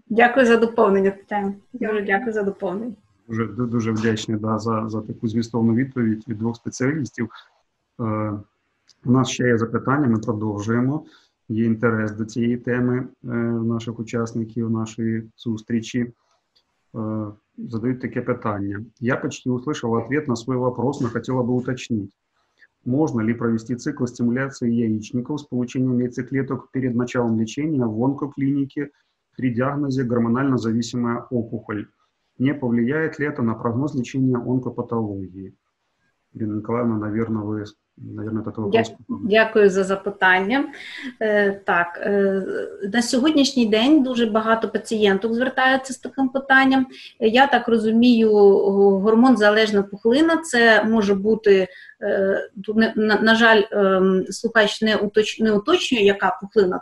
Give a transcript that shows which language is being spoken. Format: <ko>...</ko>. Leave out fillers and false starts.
<uk>Дякую за доповнення, Тетяна. Дуже дякую за доповнення. Дуже вдячний, да, за таку змістовну відповідь від двох спеціалістів. У нас ще є запитання, ми продовжуємо. Є інтерес до цієї теми наших учасників, нашої зустрічі. Задають таке питання.</uk> <ru>Я почти услышав ответ на свой вопрос, но хотела бы уточнить. Можно ли провести цикл стимуляции яичников с получением яйцеклеток перед началом лечения в онкоклинике при диагнозе гормонально-зависимая опухоль? Не повлияет ли это на прогноз лечения онкопатологии? Ирина Николаевна, наверное, вы Наверное, такого</ru> <uk>дякую, дякую за запитання. Так, на сьогоднішній день дуже багато пацієнток звертаються з таким питанням. Я так розумію, гормон залежна пухлина, це може бути, на жаль, слухач не уточнює, яка пухлина.</uk>